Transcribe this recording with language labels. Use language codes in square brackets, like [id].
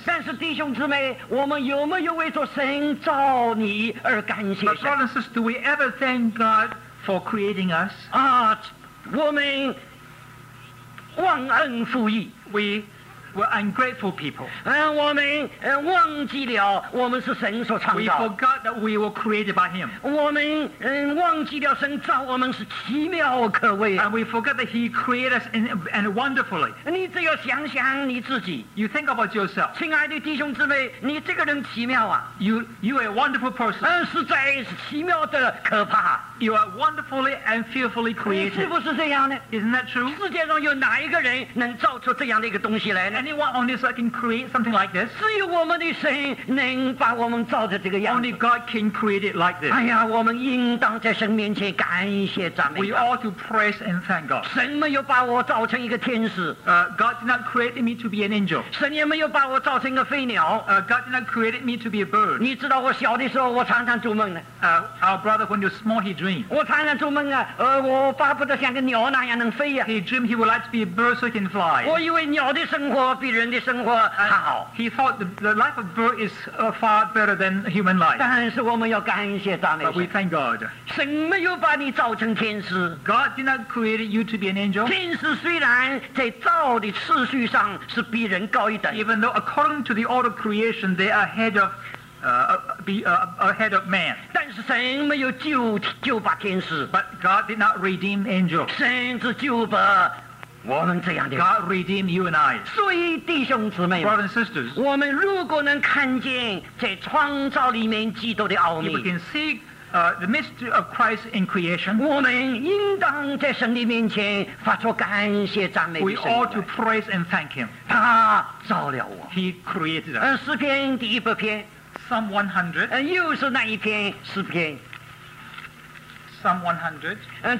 [zh] 但是弟兄姊妹，我们有没有为着神造你而感谢神？ [en] But brothers and sisters, do we ever thank God for creating us? [zh] 我们忘恩负义。 [en] We're ungrateful people. [zh] 我们忘记了我们是神所创造。 [en] We forgot that we were created by Him. [zh] 我们忘记了神造我们是奇妙可畏。 [en] And we forgot that He created us and wonderfully. [zh] 你只要想想你自己。 [en] You think about yourself. [zh] 亲爱的弟兄姊妹，你这个人奇妙啊。 [en] You are a wonderful person. [zh] 实在是奇妙的可怕。 [en] You are wonderfully and fearfully created. [zh] 是不是这样呢？ [en] Isn't that true? [zh] 世界上有哪一个人能造出这样的一个东西来？ [en] Anyone on this earth can create something like this? [zh] 只有我们的神能把我们造成这个样子。 [en] Only God can create it like this. [zh] 哎呀，我们应当在神面前感谢赞美。 [en] We ought to praise and thank God. [zh] 神没有把我造成一个天使。 [en] God did not create me to be an angel. [zh] 神也没有把我造成一个飞鸟。 [en] God did not create me to be a bird. [zh] 你知道我小的时候，我常常做梦呢。 [en] Our brother, when you're small, he dreams. [zh] 我常常做梦啊，我巴不得像个鸟那样能飞呀。 [en] He dreamed he would like to be a bird so he can fly. [zh] 我以为鸟的生活。比人的生活还好。 [en] He thought the life of bird is far better than human life. [zh] 但是我们要感谢赞美神。 [en] But we thank God. [zh] 神没有把你造成天使。 [en] God did not create you to be an angel. [zh] 天使虽然在造的次序上是比人高一等。 [en] Even though according to the order of creation, they are ahead of ahead of man. [zh] 但是神没有救把天使, [en] but God did not redeem angels. [zh] 神只救把 [en] God redeem you and I. [zh] 所以弟兄姊妹, [en] brothers and sisters, [zh] 我们如果能看见在创造里面基督的奥秘, [en] if we can see the mystery of Christ in creation, [zh] 我们应当在神的面前发出感谢赞美的声音来, [en] we ought to praise and thank him. [zh] 他造了我, [en] he created us. [zh] 诗篇第一百篇, [en] Psalm 100, [zh] 又是那一篇诗篇, [en] Psalm 100,